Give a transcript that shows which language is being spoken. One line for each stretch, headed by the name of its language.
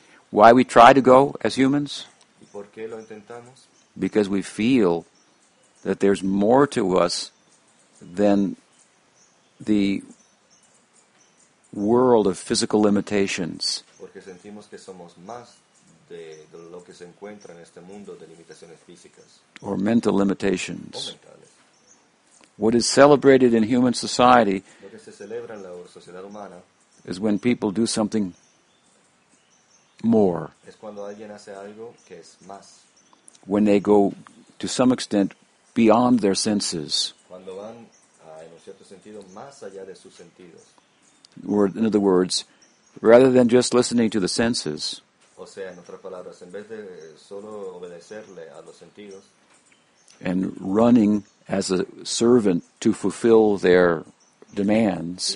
English: Why we try to go as humans?
Spanish: ¿Y por qué lo intentamos?
English: Because we feel that there's more to us than the world of physical limitations.
Spanish: Porque sentimos que somos más de lo que se encuentra en este mundo de limitaciones físicas.
English: Or mental limitations.
Spanish: O mentales.
English: What is celebrated in human society,
Spanish: lo que se celebra en la sociedad humana,
English: is when people do something more.
Spanish: Es cuando alguien hace algo que es más.
English: When they go to some extent beyond their senses.
Spanish: Cuando van en un cierto sentido más allá de sus sentidos.
English: In other words, rather than just listening to the senses,
Spanish: o sea, en otras palabras, en vez de solo obedecerle a los sentidos,
English: and running as a servant to fulfill their demands,